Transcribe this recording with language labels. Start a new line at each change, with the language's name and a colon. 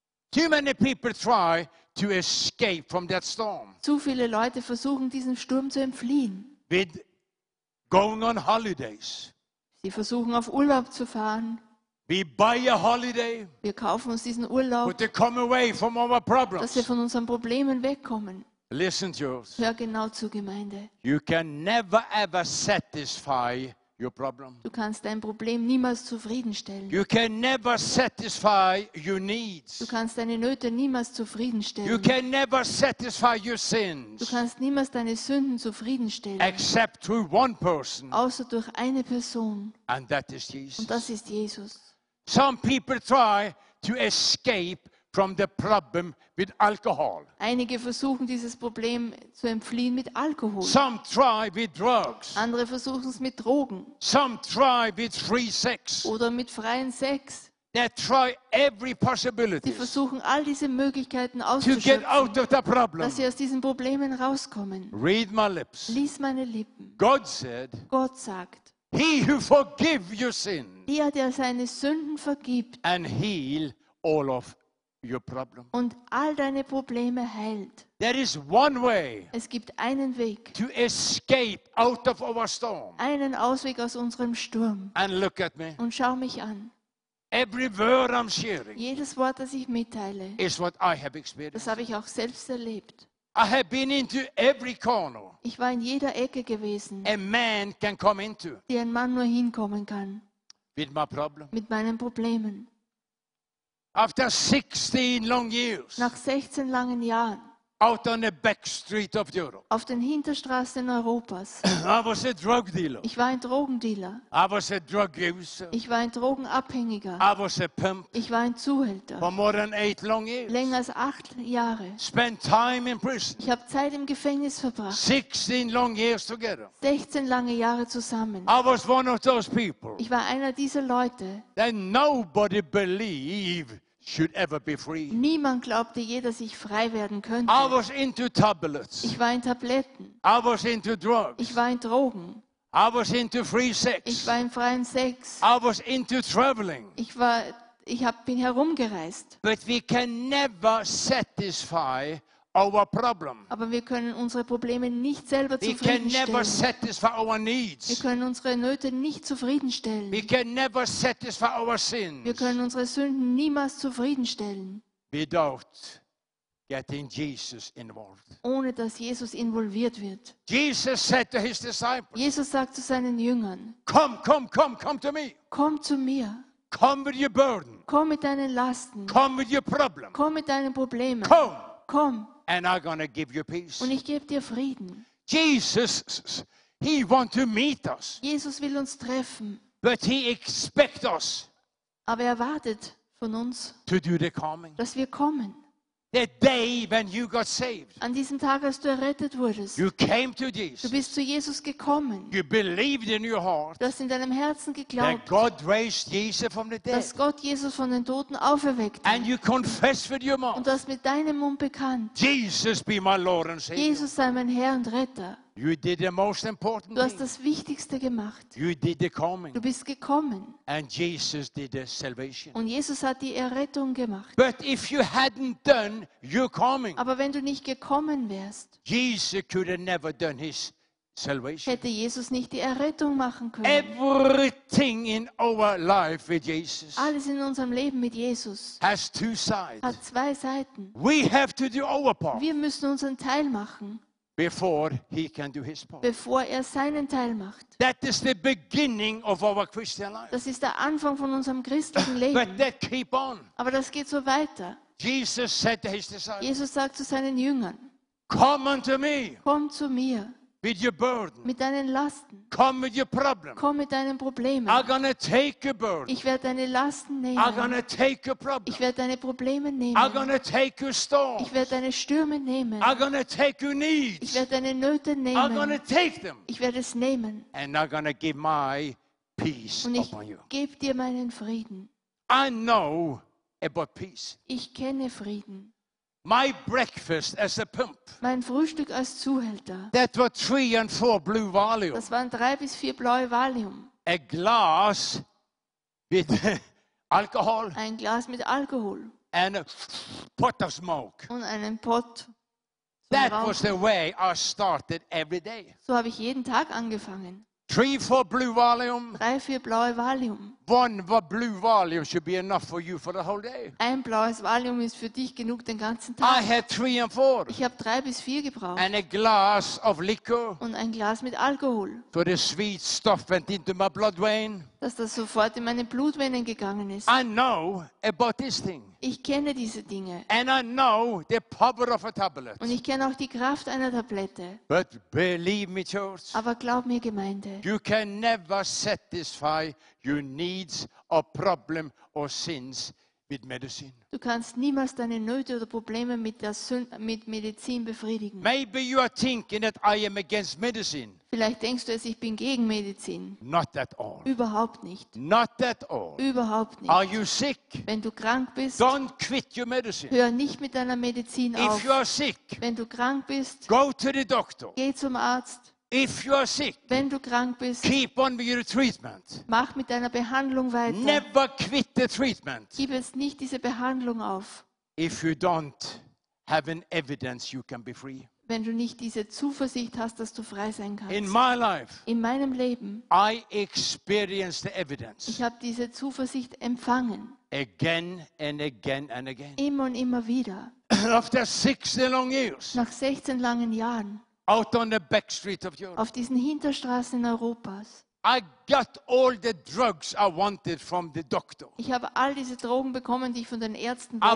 English: Too many people try to escape from that storm.
German: Zu viele Leute versuchen diesem Sturm zu entfliehen.
English: With going on holidays.
German: Sie versuchen auf Urlaub zu fahren.
English: We buy a holiday.
German: Wir kaufen uns diesen Urlaub.
English: But they come away from our problems.
German: Dass wir von unseren Problemen wegkommen.
English: Listen to us.
German: Hör genau zu, Gemeinde.
English: You can never ever satisfy your problem.
German: Du kannst dein Problem niemals zufriedenstellen.
English: You can never satisfy your needs.
German: Du kannst deine Nöte niemals zufriedenstellen.
English: You can never satisfy your sins.
German: Du kannst niemals deine Sünden zufriedenstellen.
English: Except through one person.
German: Außer durch eine Person.
English: And that is Jesus.
German: Und das ist Jesus.
English: Some people try to escape from the problem with alcohol.
German: Einige versuchen dieses Problem zu entfliehen mit Alkohol.
English: Some try with drugs.
German: Andere versuchen es mit Drogen.
English: Some try with free sex.
German: Oder mit freien Sex.
English: They try every possibility.
German: Sie versuchen all diese Möglichkeiten auszuschöpfen.
English: To get out of the problem.
German: Dass sie aus diesen Problemen rauskommen.
English: Read my lips.
German: Lies meine Lippen.
English: God said.
German: Gott sagt.
English: He who forgive your sin.
German: Der, der seine Sünden vergibt.
English: And heal all of your problem.
German: Und all deine Probleme heilt.
English: There is one way.
German: Es gibt einen Weg.
English: To escape out of our storm.
German: Einen Ausweg aus unserem Sturm.
English: And look at me.
German: Und schau mich an.
English: Every word I'm sharing.
German: Jedes Wort, das ich mitteile.
English: Is what I have experienced.
German: Das habe ich auch selbst erlebt.
English: I have been into every corner.
German: Ich war in jeder Ecke gewesen.
English: A man can come into.
German: Die ein Mann nur hinkommen kann.
English: With my problem.
German: Mit meinen Problemen.
English: After 16 long years.
German: Nach 16 langen Jahren.
English: Out on the back street of Europe.
German: Auf den Hinterstraßen Europas.
English: I was a drug dealer.
German: Ich war ein Drogendealer.
English: I was a drug user.
German: Ich war ein Drogenabhängiger.
English: I was a pimp.
German: Ich war ein Zuhälter.
English: For more than 8 long years.
German: Länger als 8 Jahre.
English: Spent time in prison.
German: Ich habe Zeit im Gefängnis verbracht.
English: 16 long years together.
German: 16 lange Jahre zusammen.
English: I was one of those people.
German: Ich war einer dieser Leute.
English: Then nobody believed. Should ever be free.
German: Niemand glaubte je, dass ich frei werden könnte.
English: I was into tablets.
German: Ich war in Tabletten.
English: I was into drugs.
German: Ich war in Drogen.
English: I was into free sex.
German: Ich war in freiem Sex.
English: I was into traveling.
German: Ich bin herumgereist.
English: But we can never satisfy our problem.
German: Aber wir können unsere Probleme nicht selber zufriedenstellen.
English: We can never satisfy our needs.
German: Wir können unsere Nöte nicht zufriedenstellen.
English: We can never satisfy our sins.
German: Wir können unsere Sünden niemals zufriedenstellen.
English: Without getting Jesus involved.
German: Ohne dass Jesus involviert wird.
English: Jesus said to his disciples.
German: Jesus sagt zu seinen Jüngern.
English: Come to me.
German: Komm zu mir.
English: Come with your burden.
German: Komm mit deinen Lasten.
English: Come with your problem.
German: Komm mit deinen Problemen.
English: Come.
German: Komm.
English: And I'm going to give you peace.
German: Und ich gebe dir Frieden.
English: Jesus, he want to meet us.
German: Jesus will uns treffen.
English: But he expect us.
German: Aber er erwartet von uns.
English: To do the coming.
German: Dass wir kommen.
English: The day when you got saved.
German: An diesem Tag, als du errettet wurdest.
English: You came to Jesus.
German: Du bist zu Jesus gekommen.
English: You believed in your heart.
German: Du hast in deinem Herzen geglaubt.
English: That God raised Jesus from the dead.
German: Dass Gott Jesus von den Toten auferweckte.
English: And you confessed with your mouth.
German: Und du hast mit deinem Mund bekannt.
English: Jesus be my Lord and Savior.
German: Jesus sei mein Herr und Retter.
English: You did the most important thing.
German: Du hast das Wichtigste gemacht.
English: You did the coming.
German: Du bist gekommen.
English: And Jesus did the salvation.
German: Und Jesus hat die Errettung gemacht.
English: But if you hadn't done your coming,
German: aber wenn du nicht gekommen wärst,
English: Jesus could have never done his salvation.
German: Hätte Jesus nicht die Errettung machen können.
English: Everything in our life with Jesus,
German: alles in unserem Leben mit Jesus,
English: has two sides.
German: Hat zwei Seiten.
English: We have to do our part.
German: Wir müssen unseren Teil machen.
English: Before he can do his part.
German: Bevor er seinen Teil macht.
English: That is the beginning of our Christian life.
German: Das ist der Anfang von unserem christlichen Leben.
English: But that keep on.
German: Aber das geht so weiter.
English: Jesus said to his disciples.
German: Jesus sagt zu seinen Jüngern.
English: Come unto me.
German: Komm zu mir.
English: with your burden.
German: Mit deinen Lasten.
English: Come with your problem.
German: Komm mit deinen Problemen.
English: I'm gonna take your burden.
German: Ich werde deine Lasten nehmen.
English: I'm gonna take your problem.
German: Ich werde deine Probleme nehmen.
English: I'm gonna take your storms.
German: Ich werde deine Stürme nehmen.
English: I'm gonna take your needs.
German: Ich werde deine Nöte nehmen.
English: I'm gonna take them.
German: Ich werde es nehmen.
English: And I'm gonna give my peace upon you.
German: Und ich gebe dir meinen Frieden.
English: I know about peace.
German: Ich kenne Frieden.
English: My breakfast as a pimp.
German: Mein Frühstück als Zuhälter.
English: That were 3 and 4 blue Valium.
German: Das waren 3 bis 4 blaue Valium.
English: A glass with alcohol.
German: Ein Glas mit Alkohol.
English: And a pot of smoke.
German: Und einen Pott.
English: That was the way I started every day.
German: So habe ich jeden Tag angefangen.
English: 3-4 blue Valium.
German: 3-4 blaue Valium.
English: One blue Valium should be enough for you for the whole day.
German: Ein blaues Valium ist für dich genug den ganzen Tag.
English: I had 3 and 4.
German: Ich habe 3 bis 4 gebraucht.
English: And a glass of liquor.
German: Und ein Glas mit Alkohol.
English: So the sweet stuff went into my blood vein.
German: Dass das sofort in meine Blutvenen gegangen ist.
English: I know about this thing.
German: Ich kenne diese Dinge.
English: And I know the power of a tablet.
German: Und ich kenne auch die Kraft einer Tablette.
English: But believe me, church.
German: Aber glaub mir, Gemeinde.
English: You can never satisfy your needs or problem or sins with medicine.
German: Du kannst niemals deine Nöte oder Probleme mit Medizin befriedigen.
English: Maybe you are thinking that I am against medicine.
German: Vielleicht denkst du, dass ich bin gegen Medizin.
English: Not at all.
German: Überhaupt nicht.
English: Not at all.
German: Überhaupt nicht.
English: Are you sick?
German: Wenn du krank bist,
English: don't quit your medicine.
German: Hör nicht mit deiner Medizin
English: if
German: auf.
English: If you are sick,
German: wenn du krank bist,
English: go to the doctor.
German: Geh zum Arzt.
English: If you are sick,
German: wenn du krank bist,
English: keep on with your treatment.
German: Mach mit deiner Behandlung weiter.
English: Never quit the treatment.
German: Gib es nicht diese Behandlung auf.
English: If you don't have an evidence, you can be free.
German: Wenn du nicht diese Zuversicht hast, dass du frei sein kannst.
English: In my life,
German: in meinem Leben,
English: I experienced the evidence.
German: Ich habe diese Zuversicht empfangen.
English: Again and again and again.
German: Immer und immer wieder.
English: After 16 long years.
German: Nach 16 langen Jahren.
English: Out on the back street of Europe.
German: Auf diesen Hinterstraßen Europas.
English: I got all the drugs I wanted from the doctor.
German: Ich habe all diese Drogen bekommen, die ich von den Ärzten wollte.